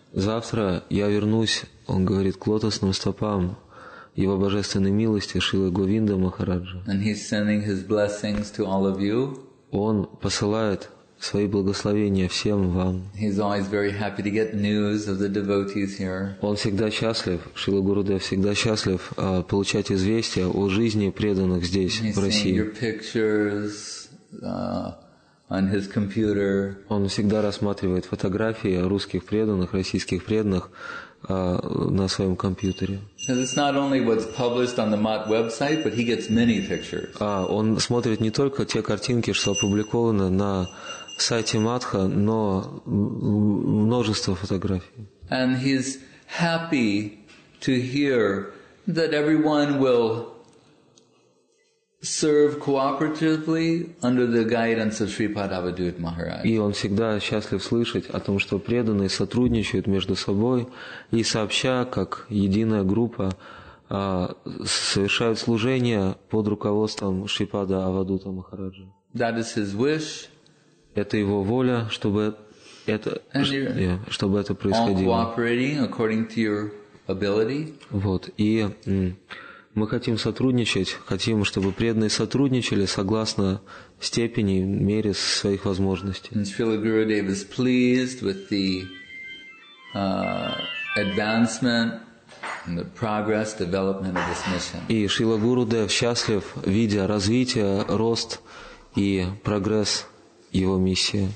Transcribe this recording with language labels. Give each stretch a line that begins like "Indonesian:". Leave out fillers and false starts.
Russian: Завтра я вернусь, он говорит, к лотосным стопам Его Божественной Милости, Шрилы Говинда Махараджа.
English: And He's sending His blessings to all of you.
Russian: Он посылает свои благословения всем вам.
English: He's always very happy to get news of the devotees here.
Russian: Он всегда счастлив, Шрила Гурудев всегда счастлив получать известия о жизни преданных здесь,
English: he's
Russian: в России.
English: Seeing your pictures, on his computer.
Russian: Он всегда рассматривает фотографии русских преданных, российских преданных на своем компьютере.
English: It's not only what's published on the MOT website, but he gets many pictures.
Russian: Он смотрит не только те картинки, что опубликованы на сайте Матха, но множество фотографий.
English: And he's happy to hear that everyone will serve cooperatively under the guidance of Sri Padavadut Maharaj.
Russian: И он всегда счастлив слышать о том, что преданные сотрудничают между собой и сообща, как единая группа, совершают служение под руководством Шри Падавадута Махараджа.
English: That is his wish.
Russian: Это его воля, чтобы это происходило.
English: All cooperating according to your ability.
Russian: Вот. И мы хотим сотрудничать, хотим, чтобы преданные сотрудничали согласно степени, мере своих возможностей. And Srila Gurudev is pleased with the advancement and the progress development of this mission. И Шрила Гурудев счастлив, видя развитие, рост и прогресс его миссии.